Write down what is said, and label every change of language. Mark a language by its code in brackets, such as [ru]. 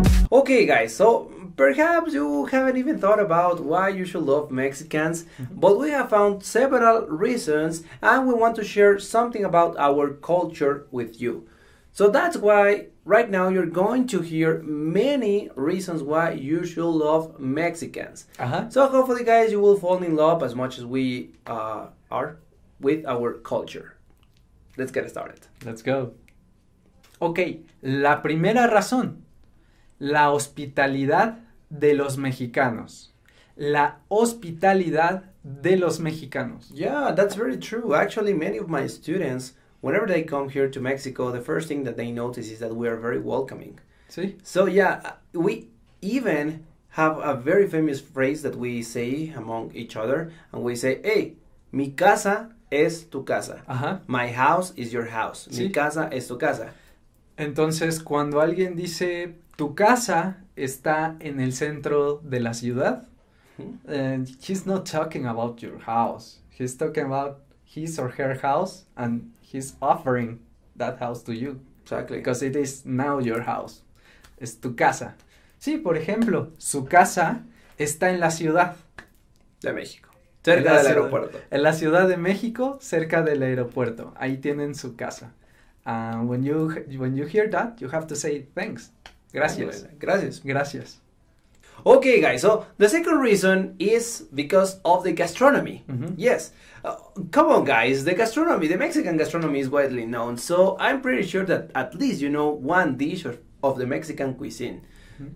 [en] Okay, guys, so perhaps you haven't even thought about why you should love Mexicans, but we have found several reasons and we want to share something about our culture with you. So that's why right now you're going to hear many reasons why you should love Mexicans. Uh-huh. So hopefully, guys, you will fall in love as much as we are with our culture. Let's get started. Let's go. [es] Okay, la primera razón, la hospitalidad de los mexicanos. La hospitalidad de los mexicanos. [en] Yeah, that's very true. Actually, many of my students, whenever they come here to Mexico, the first thing that they notice is that we are very welcoming. See? So yeah, we even have a very famous phrase that we say among each other, and we say, hey, [es] mi casa es tu casa. [en] Uh-huh. My house is your house. [es] ¿Sí? Mi casa es tu casa. Entonces, cuando alguien dice, tu casa está en el centro de la ciudad, [en] he's not talking about your house. He's talking about his or her house, and he's offering that house to you. Exactly. Because it is now your house. [es] Es tu casa. Sí, por ejemplo, su casa está en la ciudad. De México. Cerca del aeropuerto. En la ciudad de México, cerca del aeropuerto. Ahí tienen su casa. [en] And when you hear that, you have to say thanks. [es] Gracias. Gracias. Gracias. [en] Okay, guys, so the second reason is because of the gastronomy. Mm-hmm. Yes. Come on, guys, the gastronomy, the Mexican gastronomy is widely known, so I'm pretty sure that at least you know one dish of the Mexican cuisine. Mm-hmm.